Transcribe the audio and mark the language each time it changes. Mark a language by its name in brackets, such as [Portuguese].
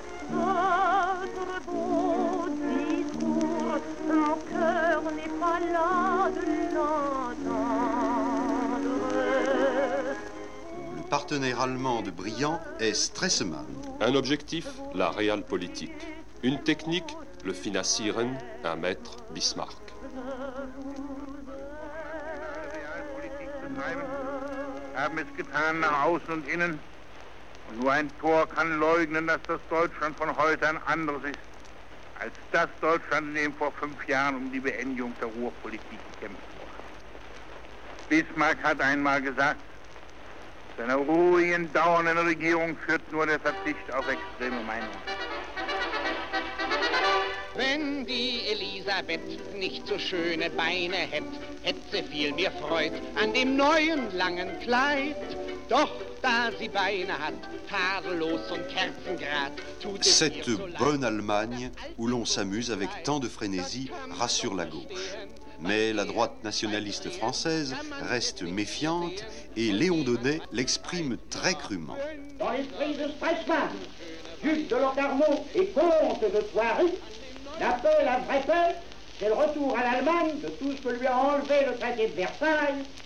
[French] Votre beau discours, mon cœur n'est pas là de l'entendre. Partenaire allemand de Briand est Stresemann. Un objectif, la Realpolitik. Une technique, le Finassieren, un maître Bismarck. [German] Realpolitik betreiben, haben es getan nach außen und innen. Und nur ein Tor kann leugnen, dass das Deutschland von heute ein anderes ist, als das Deutschland, in dem vor fünf Jahren um die Beendigung der Ruhrpolitik gekämpft wurde. Bismarck hat einmal gesagt, seine ruhigen, dauernden Regierung führt nur der Verzicht auf extreme Meinungen. Wenn die Elisabeth nicht so schöne Beine hätte, hätte sie viel mehr Freude an dem neuen langen Kleid. Doch da sie Beine hat, tadellos und kerzengrad, tut es [French] cette bonne Allemagne, où l'on s'amuse avec tant de frénésie, rassure la gauche. Mais la droite nationaliste française reste méfiante et Léon Daudet l'exprime très crûment. Dans l'esprit de Stresemann, duc de Locarno et comte de Thoiry, l'appel à vrai peuple, c'est le retour à l'Allemagne de tout ce que lui a enlevé le traité de Versailles.